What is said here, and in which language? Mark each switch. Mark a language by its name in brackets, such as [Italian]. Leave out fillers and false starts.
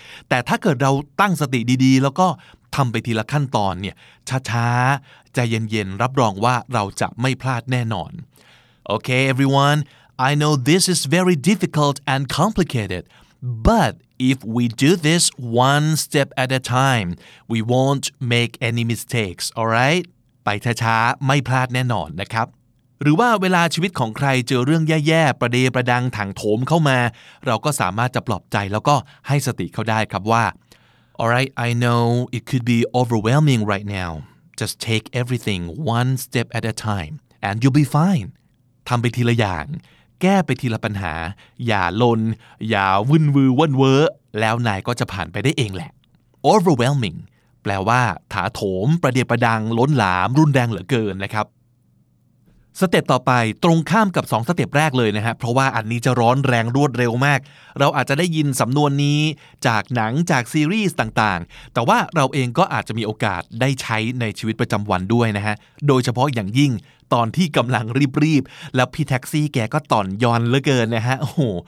[Thai] แต่ถ้าเกิดเราตั้งสติดีๆแล้วก็ทำไปทีละขั้นตอนเนี่ยช้าๆใจเย็นๆรับรองว่าเราจะไม่พลาดแน่นอน [English] Okay, everyone, I know this is very difficult and complicated, but if we do this one step at a time, we won't make any mistakes, all right? [Thai] ไปช้าๆไม่พลาดแน่นอนนะครับหรือว่าเวลาชีวิตของใครเจอเรื่องแย่ๆประเดประดังถังโถมเข้ามาเราก็สามารถจะปลอบใจแล้วก็ให้สติเขาได้ครับว่า [English] All right, I know it could be overwhelming right now. Just take everything one step at a time, and you'll be fine. [Thai] ทำไปทีละอย่างแก้ไปทีละปัญหาอย่าลนอย่าวุ่นวือว่นเว้อแล้วนายก็จะผ่านไปได้เองแหละ overwhelming แปลว่าถาโถมประเดียประดังล้นหลามรุนแรงเหลือเกินนะครับ สเต็ปต่อไปตรงข้ามกับ2สเต็ปแรกเลยนะฮะเพราะว่าอันนี้จะร้อนแรงรวดเร็วมากเราอาจจะได้ยินสำนวนนี้จากหนังจากซีรีส์ต่างๆแต่ว่าเราเองก็อาจจะมีโอกาสได้ใช้ในชีวิตประจำวันด้วยนะฮะโดยเฉพาะอย่างยิ่งตอนที่กำลังรีบๆแล้วพี่แท็กซี่แกก็ต่อนยอนเหลือเกินนะฮะโอ้โห